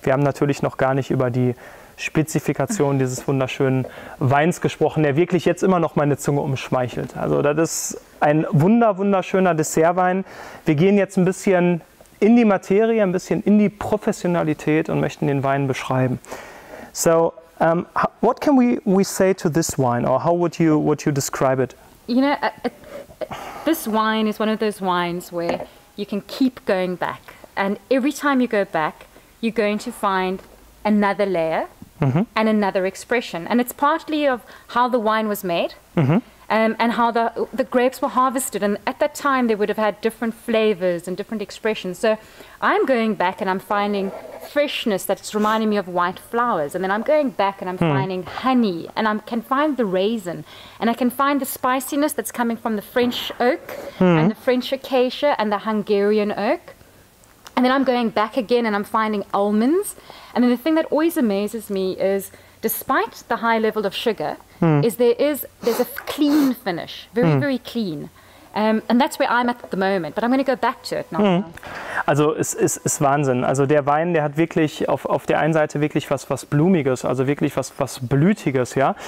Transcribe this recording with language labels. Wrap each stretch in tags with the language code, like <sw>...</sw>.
<de>Wir haben natürlich noch gar nicht über die Spezifikation dieses wunderschönen Weins gesprochen, der wirklich jetzt immer noch meine Zunge umschmeichelt. Also das ist ein wunderschöner Dessertwein. Wir gehen jetzt ein bisschen in die Materie, ein bisschen in die Professionalität und möchten den Wein beschreiben.</de> <en>So, what can we say to this wine, or how would you describe it? You know, this wine is one of those wines where you can keep going back. And every time you go back, you're going to find another layer and another expression. And it's partly of how the wine was made. Mm-hmm. And how the grapes were harvested. And at that time, they would have had different flavors and different expressions. So I'm going back and I'm finding freshness that's reminding me of white flowers. And then I'm going back and I'm finding honey. And I can find the raisin. And I can find the spiciness that's coming from the French oak and the French acacia and the Hungarian oak. And then I'm going back again and I'm finding almonds. And then the thing that always amazes me is, despite the high level of sugar, there's a clean finish, very, very clean. And that's where I'm at the moment, but I'm going to go back to it now. Mm.</en> <de>Also es ist Wahnsinn. Also der Wein, der hat wirklich auf der einen Seite wirklich was Blumiges, also wirklich was Blütiges, ja.</de>